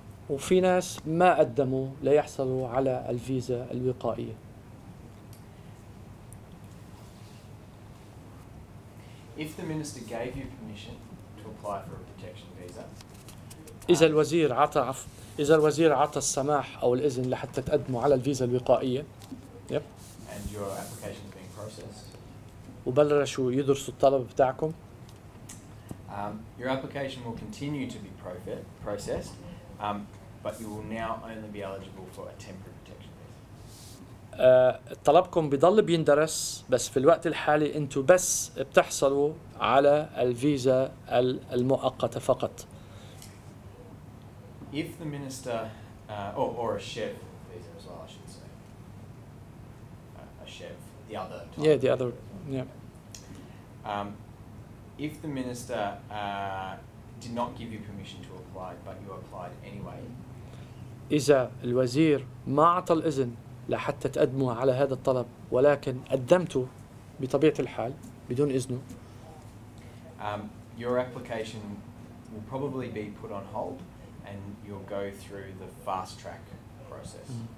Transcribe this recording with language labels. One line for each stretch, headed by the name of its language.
Arabic: وفي ناس ما قدموا ليحصلوا على الفيزا الوقائية.
English: If the minister gave you permission to apply for a protection visa,
Arabic: إذا الوزير عطى السماح أو الإذن لحتى تقدموا على الفيزا الوقائية.
English: Yep. And your application is being processed.
Arabic: وبلشوا يدرسوا الطلب بتاعكم.
English: Your application will continue to be processed. But you will now only be eligible for a temporary protection visa.
Arabic: طلبكم بيضل بيندرس بس في الوقت الحالي انتوا بس بتحصلوا على الفيزا المؤقتة فقط.
English: If the minister or a chef visa as well, I should say. A chef, the other type. Yeah, the other, yeah. If the minister did not give you permission to apply, but you applied anyway.
Arabic: إذا الوزير ما أعطى الإذن لحتى تقدموا على هذا الطلب ولكن قدمته بطبيعة الحال بدون إذنه.
English: Your application will probably be put on hold and you'll go through the fast track process.